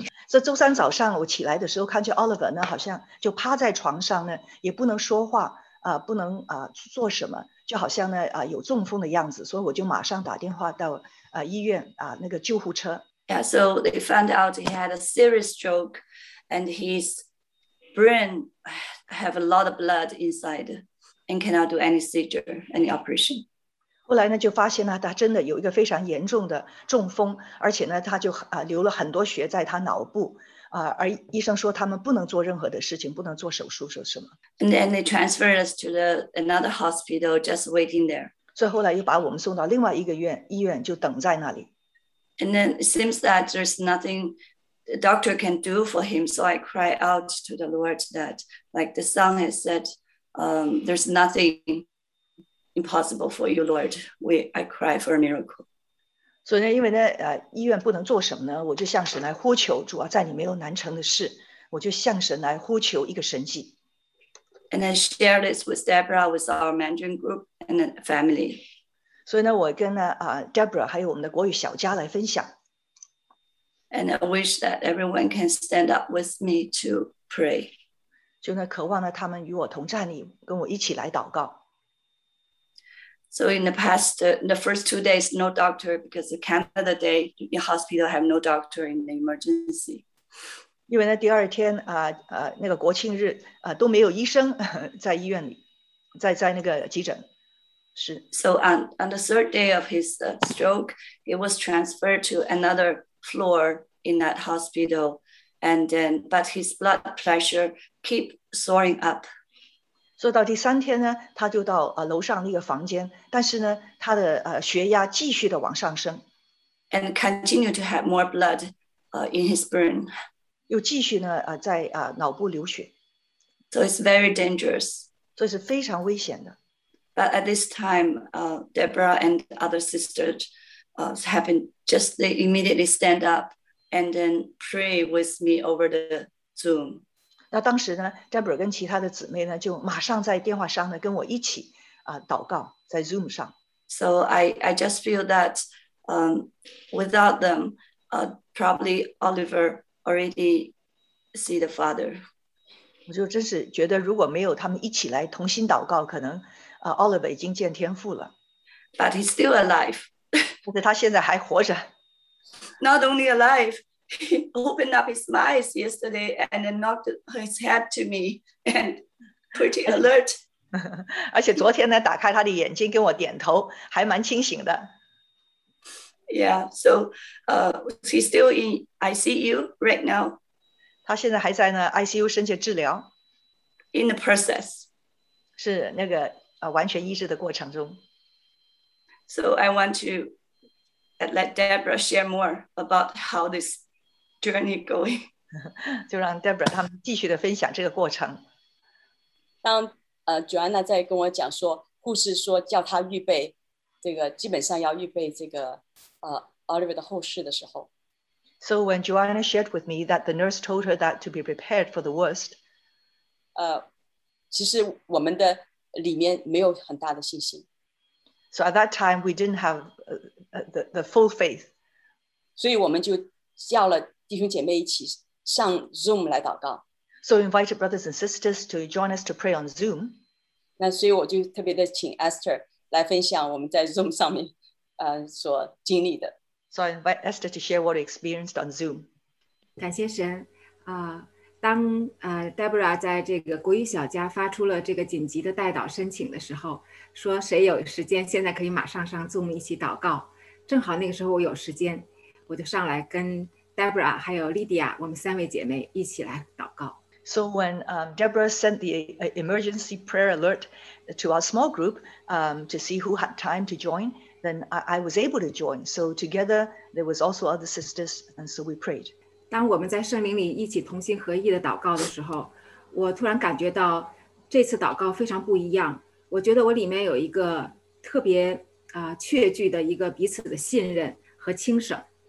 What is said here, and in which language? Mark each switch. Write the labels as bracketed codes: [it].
[zh] 所以周三早上我起来的时候看见 Oliver 呢好像就趴在床上呢也不能说话、不能、做什么就好像呢、有中风的样子所以我就马上打电话到、医院、那个救护车。 [en] Yeah, so they found out he had a serious stroke and his brain have a lot of blood inside and cannot do any surgery, any operation. [zh] 后来呢就发现呢他真的有一个非常严重的中风而且呢他就、流了很多血在他脑部、而医生说他们不能做任何的事情不能做手术说什么。 [en] And then they transferred us to the another hospital just waiting there. [zh] 所以后来又把我们送到另外一个医院就等在那里。 [en] And then it seems that there's nothing the doctor can do for him. So I cry out to the Lord that, like the song has said, there's nothing impossible for you, Lord. I cry for a miracle. So, because the hospital can't do anything, I just ask God to pray, Lord, there's nothing impossible for you. I just ask God to pray for a miracle. And I share this with Deborah, with our Mandarin group and the family. [zh] 所以呢我跟呢、Deborah 还有我们的国语小佳来分享 [en] And I wish that everyone can stand up with me to pray [zh] 就呢渴望呢他们与我同站立跟我一起来祷告 [en] So in the past in the first 2 days no doctor because the Canada day the hospital have no doctor in the emergency [zh] 因为呢第二天、那个国庆日、都没有医生在医院里 在那个急诊 [en] So on the third day of his stroke, he was transferred to another floor in that hospital, and then but his blood pressure keep soaring up. [zh] So 到第三天呢，他就到楼上那个房间，但是呢，他的血压继续的往上升 [en] ，and continue to have more blood, in his brain. [zh] 又继续呢在脑部流血。 [en] So it's very dangerous. [zh] 所以是非常危险的。 [en] But at this time, Deborah and other sisters happened just they immediately stand up and then pray with me over the Zoom. [zh] 那当时呢 ，Deborah 跟其他的姊妹呢，就马上在电话上呢跟我一起啊、祷告在 Zoom 上。 [en] So I just feel that without them, probably Oliver already see the Father. [zh] 我就真是觉得如果没有他们一起来同心祷告，可能。 Oliver 已经见天父了 [en] But he's still alive. [zh] 但是他现在还活着 [en] Not only alive, he opened up his eyes yesterday and then knocked his head to me and pretty alert. [zh] 而且昨天呢打开他的眼睛跟我点头还蛮清醒的 [en] Yeah, so he's still in ICU right now. [zh] 他现在还在呢 ICU 深切治疗 [en] In the process. [zh] 是那个完全医治的过程中 [en] So I want to let Deborah share more about how this journey going [zh] 就让 Deborah 他们继续的分享这个过程当、Joanna 在跟我讲说护士说叫他预备这个基本上要预备这个、Oliver 的后事的时候 [en] So when Joanna shared with me that the nurse told her that to be prepared for the worst [zh] 其实我们的里面没有很大的信心。 [en] So at that time, we didn't have the full faith. [zh] 所以我们就叫了弟兄姐妹一起上 Zoom 来祷告。 [en] So invited brothers and sisters to join us to pray on Zoom. [zh] 那所以我就特别的请 Esther 来分享我们在 Zoom 上面、所经历的。 [en] So I invite Esther to share what we experienced on Zoom. [zh] 感谢神、当、Deborah 在这个国语小家发出了这个紧急的代祷申请的时候，说谁有时间现在可以马上上 Zoom 一起祷告。正好那个时候我有时间，我就上来跟 Deborah 还有 Lydia 我们三位姐妹一起来祷告。 [en] So when Deborah sent the emergency prayer alert to our small group to see who had time to join, then I was able to join. So together there was also other sisters, and so we prayed. [zh] 当我们在圣灵里一起同心合意的祷告的时候，我突然感觉到这次祷告非常不一样。我觉得我里面有一个特别、确据的一个彼此的信任和轻省。